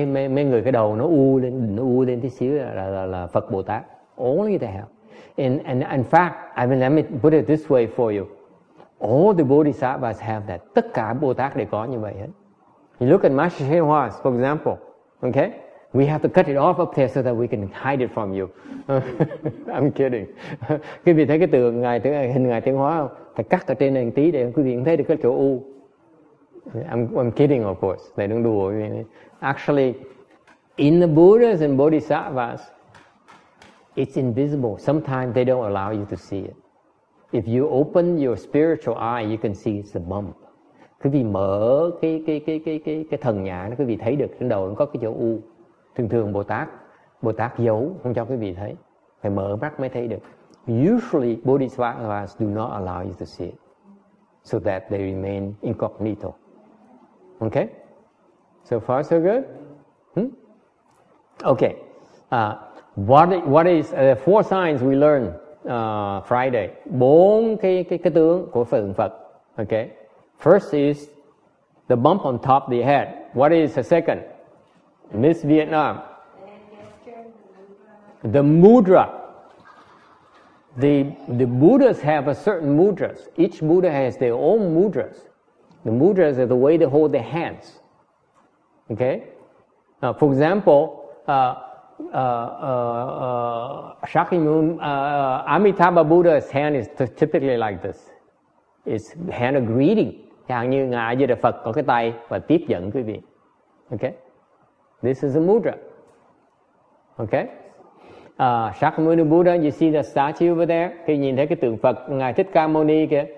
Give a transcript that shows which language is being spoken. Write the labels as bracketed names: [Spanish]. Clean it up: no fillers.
[Vietnamese] Mấy người cái đầu nó u lên tí xíu là Phật Bồ Tát. [English] Only they have. In fact, I mean, let me put it this way for you. All the Bodhisattvas have that. [Vietnamese] Tất cả Bồ Tát đều có như vậy hết. [English] You look at Master Shen Hua, for example. Okay? We have to cut it off up there so that we can hide it from you. I'm kidding. [Vietnamese] Quý vị thấy cái tượng ngài hình ngài Tiến Hóa không? Phải cắt ở trên này một tí để quý vị thấy được cái chỗ u. [English] I'm kidding, of course. They don't do it. Actually, in the Buddhas and Bodhisattvas, it's invisible. Sometimes they don't allow you to see it. If you open your spiritual eye, you can see it's a bump. [Vietnamese] quý vị mở cái thần nhãn, quý vị thấy được trên đầu nó có cái chỗ u. Thường thường Bồ Tát giấu không cho quý vị thấy, phải mở mắt mới thấy được. [English] Usually Bodhisattvas do not allow you to see it, so that they remain incognito. Okay, so far so good. Okay, what is the four signs we learn Friday? [Vietnamese] Bốn cái tướng của phượng Phật. [English] Okay, first is the bump on top of the head. What is the second? Miss Vietnam. The mudra. The Buddhas have a certain mudras. Each Buddha has their own mudras. The mudras are the way they hold their hands. Okay? Now, for example, Amitabha Buddha's hand is typically like this. It's hand of greeting. [Vietnamese] Chẳng như Ngài A Di Đà Phật có cái tay và tiếp dẫn quý vị. [English] Okay? This is a mudra. Okay? Shakyamuni Buddha, you see the statue over there? [Vietnamese] Khi nhìn thấy cái tượng Phật Ngài Thích Ca Mâu Ni kìa.